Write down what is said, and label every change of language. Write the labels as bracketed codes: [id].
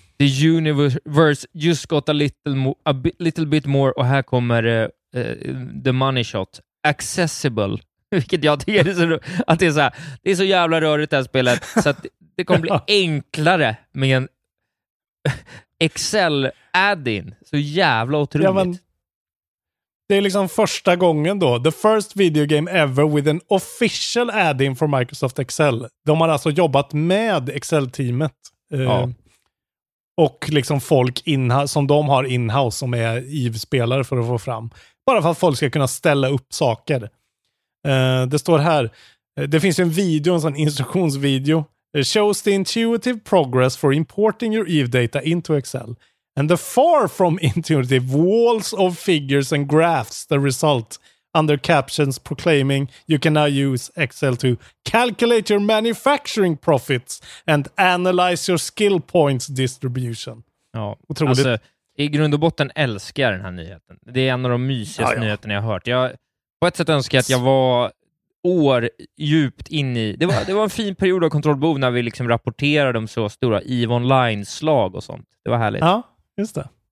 [en] The universe just got a little bit more. [sv] Och här kommer [en] the money shot. Accessible. [sv] Vilket jag tycker är så, att det är så här. Det är så jävla rörigt det här spelet. Så att det kommer bli enklare med en Excel add-in. Så jävla otroligt. Ja, men, det är liksom första gången då. [en] The first video game ever with an official add-in for Microsoft Excel. [sv] De har alltså jobbat med Excel-teamet. Ja. Och liksom folk som de har in-house som är EVE-spelare för att få fram. Bara för att folk ska kunna ställa upp saker. Det står här. Det finns ju en video, en sån instruktionsvideo. [en] It shows the intuitive progress for importing your EVE data into Excel. And the far from intuitive walls of figures and graphs the result under captions proclaiming you can now use Excel to calculate your manufacturing profits and analyze your skill points distribution. [sv] Ja, otroligt. Alltså, i grund och botten älskar jag den här nyheten. Det är en av de mysigaste nyheterna jag har hört. Jag på ett sätt önskar att jag var år djupt in i. Det var en fin period av kontrollbehov när vi liksom rapporterade om så stora EVE Online-slag och sånt. Det var härligt. Ja, just det.